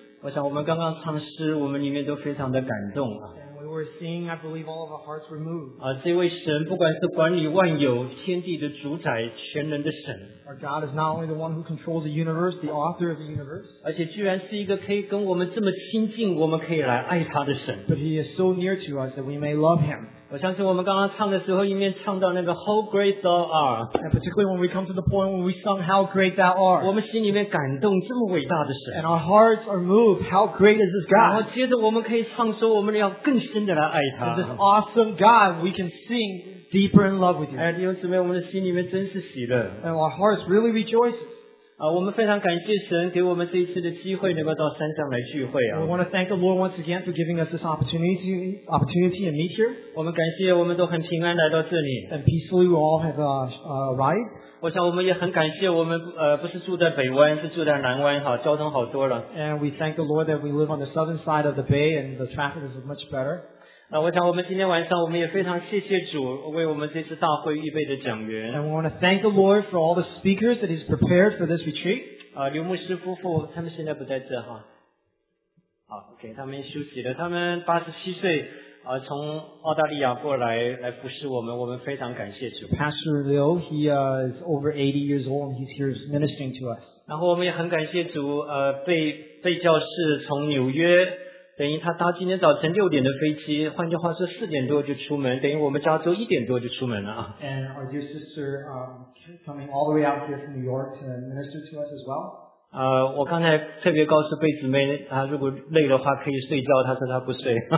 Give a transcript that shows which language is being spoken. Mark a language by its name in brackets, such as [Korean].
[Chinese] 我想我们刚刚唱诗，我们里面都非常的感动啊。 [English] And we were seeing, I believe, all of our hearts were moved. [Chinese] 啊，这位神不管是管理万有、天地的主宰、全能的神。 [English] Our God is not only the one who controls the universe, the author of the universe. [Chinese] 而且居然是一个可以跟我们这么亲近，我们可以来爱他的神。 [English] But he is so near to us that we may love him. [Chinese] 我相信我们刚刚唱的时候一面唱到那个 [English] How great thou art. And particularly when we come to the point when we sung How great thou art. [Chinese] 我们心里面感动这么伟大的神。 [English] And our hearts are moved. How great is this God. [Chinese] 然后接着我们可以唱说我们要更深的来爱他。 [English] This awesome God, we can sing deeper in love with you. [Chinese] 弟兄姊妹，我们的心里面真是喜乐。 [English] And our hearts really rejoice. [Chinese] 我们非常感谢神给我们这一次的机会能够到山上来聚会啊。 [English] We want to thank the Lord once again for giving us this opportunity to meet here. [Chinese] 我们感谢我们都很平安来到这里。 [English] And peacefully we all have arrived. [Chinese] 我想我们也很感谢我们不是住在北湾，是住在南湾哈，交通好多了。 [English] And we thank the Lord that we live on the southern side of the bay and the traffic is much better. [Chinese] 我想我们今天晚上我们也非常谢谢主为我们这次大会预备的讲员。 [English] And we want to thank the Lord for all the speakers that he's prepared for this retreat. [Chinese] 刘牧师夫妇他们现在不在这哈。好 ,OK, 他们休息了。他们87岁从澳大利亚过来来服侍我们，我们非常感谢主。 [English] Pastor Liu, he is over 80 years old and he's here ministering to us. [Chinese] 然后我们也很感谢主被教士从纽约等于他搭今天早晨六点的飞机，换句话说四点多就出门，等于我们加州一点多就出门了啊。 [English] And our dear sister, coming all the way out here from New York to minister to us as well. [Chinese] 我刚才特别告诉贝姊妹，她如果累的话可以睡觉，她说她不睡。